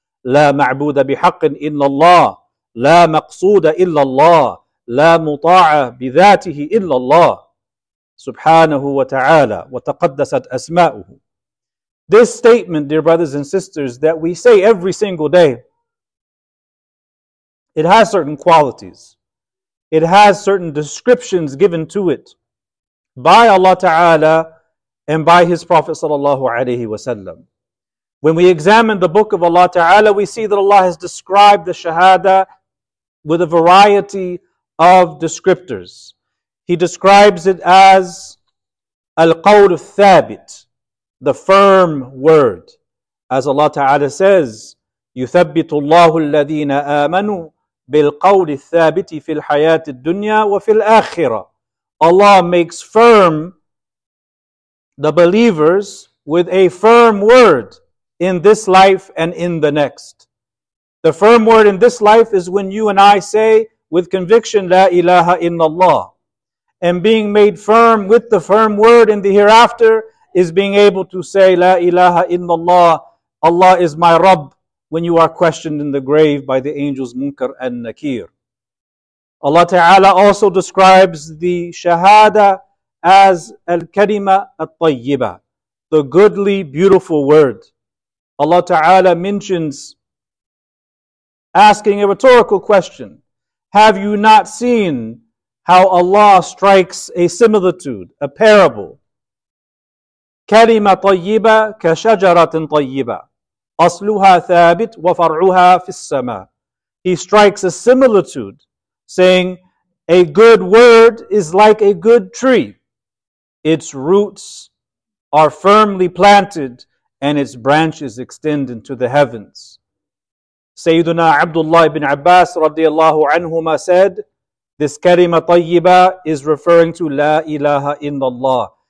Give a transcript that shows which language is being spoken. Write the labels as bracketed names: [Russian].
[Arabic] لا معبود بحق إلا الله لا مقصود إلا الله لا مطاع بذاته إلا الله سبحانه وتعالى وتقدست أسماؤه. [English] This statement, dear brothers and sisters, that we say every single day, it has certain qualities. It has certain descriptions given to it by Allah Ta'ala and by His Prophet Sallallahu Alaihi Wasallam. When we examine the book of Allah Ta'ala, we see that Allah has described the Shahada with a variety of descriptors. He describes it as Al-Qawl Thabit, the firm word. As Allah Ta'ala says, [Arabic] يُثَبِّتُ اللَّهُ الَّذِينَ آمَنُوا بِالْقَوْلِ الثَّابِتِ فِي الْحَيَاةِ الدُّنْيَا وَفِي الْآخِرَةِ. [English] Allah makes firm the believers with a firm word in this life and in the next. The firm word in this life is when you and I say with conviction, La ilaha illallah. And being made firm with the firm word in the hereafter is being able to say, La ilaha illallah, Allah is my Rabb, when you are questioned in the grave by the angels Munkar and Nakir. Allah Ta'ala also describes the Shahada as Al-Kalima At-Tayyiba, the goodly, beautiful word. Allah Ta'ala mentions asking a rhetorical question, have you not seen how Allah strikes a similitude, a parable, [Arabic] كلمة طيبة كشجرة طيبة أصلها ثابت وفرعها في السماء. [English] He strikes a similitude, saying, a good word is like a good tree. Its roots are firmly planted and its branches extend into the heavens. Sayyiduna Abdullah ibn Abbas radiyallahu anhuma said, this kalima tayyiba is referring to La ilaha illallah.